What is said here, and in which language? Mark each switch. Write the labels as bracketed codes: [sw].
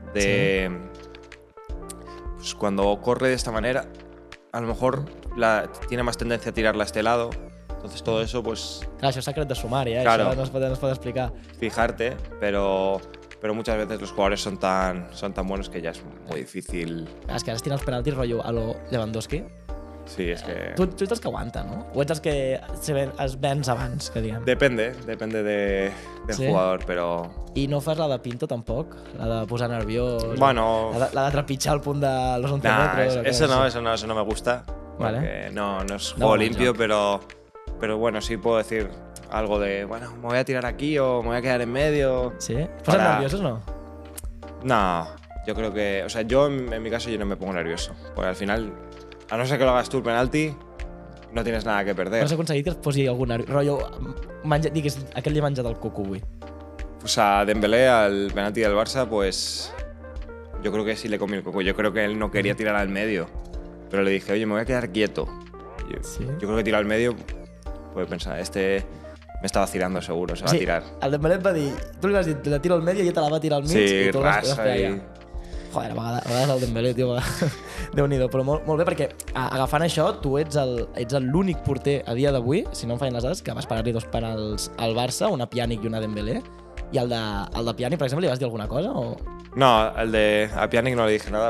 [es] De, ¿sí? Pues cuando corre de esta manera, a lo mejor tiene más tendencia a tirarla a este lado. Entonces todo eso, pues... Claro, eso es secret de sumar, ¿eh? Claro. Eso no se puede explicar. Fijarte, pero muchas veces los jugadores son tan buenos que ya es muy difícil... Es que ahora tiras penaltis rollo a lo Lewandowski. [ca] Sí, és que... Tu ets el que aguanta, no? O ets el que es vens abans, que diguem? [es] Depende del jugador, però... [ca] I no fas la de Pinto, tampoc? La de posar nerviós? [es] Bueno... [ca] La de trepitjar al punt [es] de los 11 metros? No, eso no me gusta. Vale. No es juego limpio, pero bueno, sí puedo decir algo de... Bueno, me voy a tirar aquí o me voy a quedar en medio... ¿Sí? ¿Posas nerviosos o no? No, yo creo que... O sea, yo en mi caso yo no me pongo nervioso, porque al final... A no ser que lo hagas tú el penalti, no tienes nada que perder. [ca] ¿No has aconseguit que et posi algun rotllo, diguis, aquest li he menjat el cucu avui? [es] Pues a Dembélé, al penalti del Barça, pues yo creo que sí le comí el cucu. Yo creo que él no quería tirar al medio, pero le dije, oye, me voy a quedar quieto. Yo creo que tiró al medio, pues pensaba, este me está vacilando seguro, se va a tirar. [ca] El Dembélé va dir, tu li vas dir, la tiro al medio i ella te la va tirar al mig. Sí, rasa i... Joder, a vegades el Dembélé, tio, déu-n'hi-do, però molt bé, perquè agafant això, tu ets l'únic porter a dia d'avui, si no em fallen les dades, que vas parar-li dos penals al Barça, una Pjanic i una Dembélé, i el de Pjanic, per exemple, li vas dir alguna cosa? O... [es] No, el de a Pjanic no li dije nada.